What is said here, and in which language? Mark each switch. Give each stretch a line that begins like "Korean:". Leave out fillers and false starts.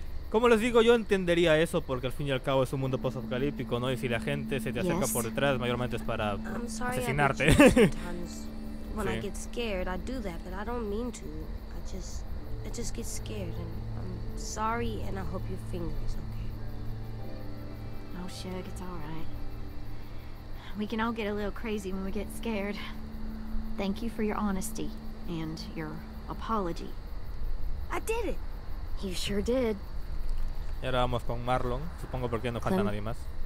Spanish: Como les digo, yo entendería eso porque al fin y al cabo es un mundo post-apocalíptico, ¿no? Y si la gente se te acerca por detrás, mayormente es para asesinarte.
English: When I get scared, I do that, but I don't mean to. I just get scared and I'm sorry and I hope your finger is okay. No, Shug, it's all right. We can all get a little crazy when we get scared. Thank you for your honesty and your apology. I did it. You sure did.
Spanish: Y ahora vamos con Marlon, supongo, porque no falta nadie más.